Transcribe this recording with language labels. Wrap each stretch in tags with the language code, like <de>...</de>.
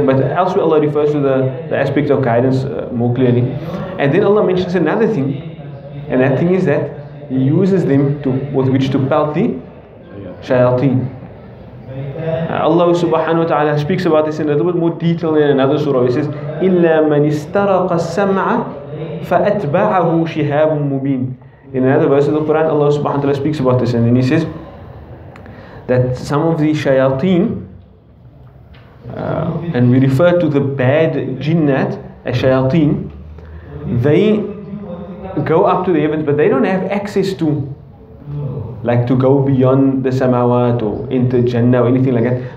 <en>But elsewhere Allah refers to the aspect of guidance more clearly. And then Allah mentions another thing, and that thing is that He uses them to with which to pelt the shayateen. Allah subhanahu wa ta'ala speaks about this in a little bit more detail in another surah. He says,</en> <ar>إِلَّا مَنِ اسْتَرَقَ السَّمْعَ فَأَتْبَعَهُ شِهَابٌ مُبِينٌ.</ar> <en>In another verse of the Quran, Allah subhanahu wa ta'ala speaks about this, and then He says that some of the shayateen, and we refer to the bad jinnat as shayateen, they go up to the heavens, but they don't have access to, like, to go beyond the samawat or enter Jannah or anything like that.</en>